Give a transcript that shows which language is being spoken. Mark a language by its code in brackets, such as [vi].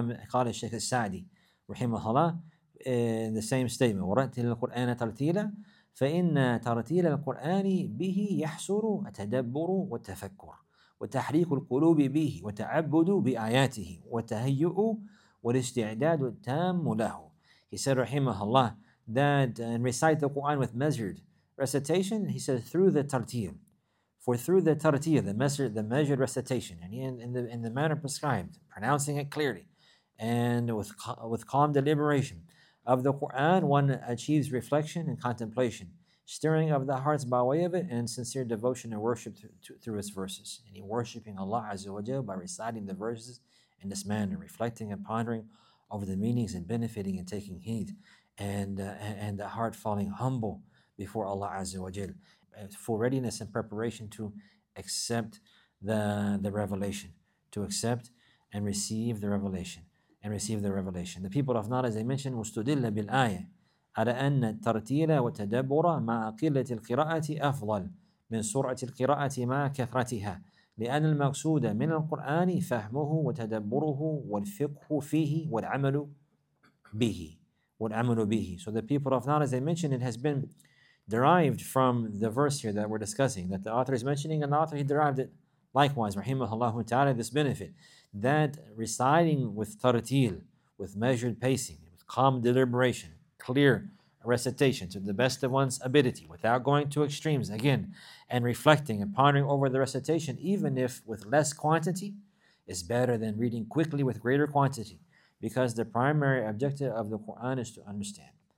[ar] قال الشيخ السعدي رحمه الله [en] in the same statement, [ar] وَرَتِّلِ الْقُرْآنَ تَرْتِيلًا فَإِنَّ تَرْتِيلَ الْقُرْآنِ بِهِ يَحْصُرُ التَّدَبُّرُ وَالتَّفَكُّرُ وتحريك القلوب به وتعبد بآياته وتهيئ والاستعداد التام له. [en] He said, رحمه الله, that and recite the Quran with measured recitation. He said through the tartil, for through the tartil, the measured recitation, and in the manner prescribed, pronouncing it clearly, and with calm deliberation of the Quran, one achieves reflection and contemplation, stirring of the hearts by way of it, and sincere devotion and worship through its verses. And he worshiping Allah Azza wa Jalla by reciting the verses in this manner, reflecting and pondering over the meanings and benefiting and taking heed, and the heart falling humble before Allah Azza wa Jalla, full readiness and preparation to accept the revelation, to accept and receive the revelation. The people of knowledge, as they mentioned, [ar] وَاسْتُدِلَّ بِالْآيَةِ عَلَى أَنَّ التَّرْتِيلَ وَتَدَبُّرَ مَعَ قِلَّةِ الْقِرَاءَةِ أَفْضَلُ مِنْ سُرْعَةِ الْقِرَاءَةِ مَعَ كَثْرَتِهَا لِأَنَّ الْمَقْصُودَ مِنَ الْقُرْآنِ فَهْمُهُ وَتَدَبُّرُهُ وَالْفِقْهُ فِيهِ وَالْعَمَلُ بِهِ وَالْعَمَلُ بِهِ. [en] So the people of knowledge, as they mentioned, it has been derived from the verse here that we're discussing, that the author is mentioning, and the author, he derived it likewise, rahimahullah ta'ala, this benefit, that reciting with tartil, with measured pacing, with calm deliberation, clear recitation to the best of one's ability, without going to extremes, again, and reflecting and pondering over the recitation, even if with less quantity, is better than reading quickly with greater quantity, because the primary objective of the Quran is to understand.